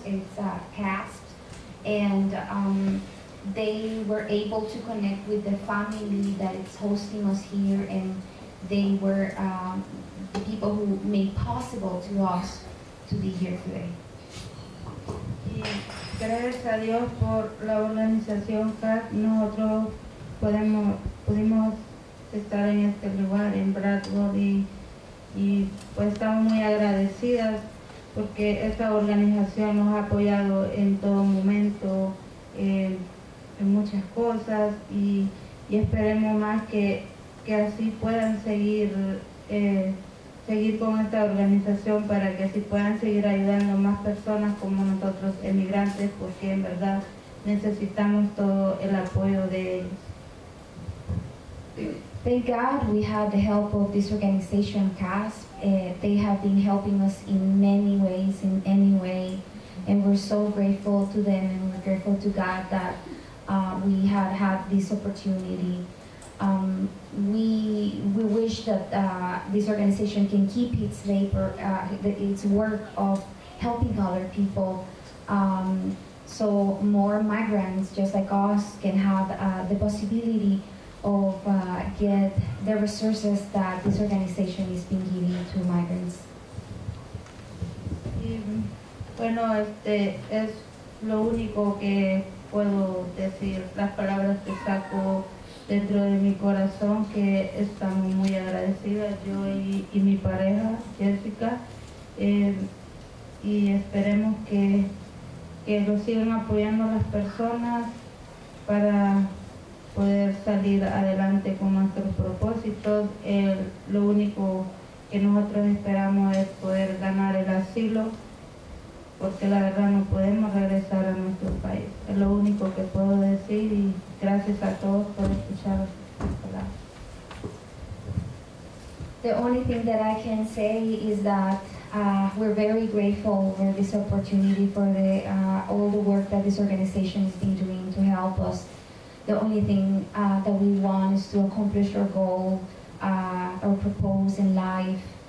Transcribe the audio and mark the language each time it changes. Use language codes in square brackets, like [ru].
[en] It's CASP, and they were able to connect with the family that is hosting us here, and they were the people who made possible to us to be here today. [es] Gracias a Dios por la organización CAP. Nosotros pudimos estar en este lugar en Bradford y pues estamos muy agradecidas porque esta organización nos ha apoyado en todo momento en muchas cosas y esperemos más que así puedan seguir con esta organización para que así puedan seguir ayudando más personas como nosotros emigrantes porque en verdad necesitamos todo el apoyo de ellos. [en] Thank God we had the help of this organization CASP. They have been helping us in many ways, in any way, and we're so grateful to them and we're grateful to God that we have had this opportunity. We wish that this organization can keep its labor, its work of helping other people, so more migrants just like us can have the possibility of get the resources that this organization has been giving to migrants. [es] Bueno, es lo único que puedo decir, las palabras que saco dentro de mi corazón, que estamos muy agradecidas, yo y mi pareja, Jessica, y esperemos que lo sigan apoyando las personas para poder salir adelante con nuestros propósitos. Lo único que nosotros esperamos es poder ganar el asilo, porque la verdad no podemos regresar a nuestro país. Es lo único que puedo decir y gracias a todos por escuchar estas palabras. [en] The only thing that I can say is that we're very grateful for this opportunity, for the all the work that this organization has been doing to help us. The only thing that we want is to accomplish our goal, our purpose in life.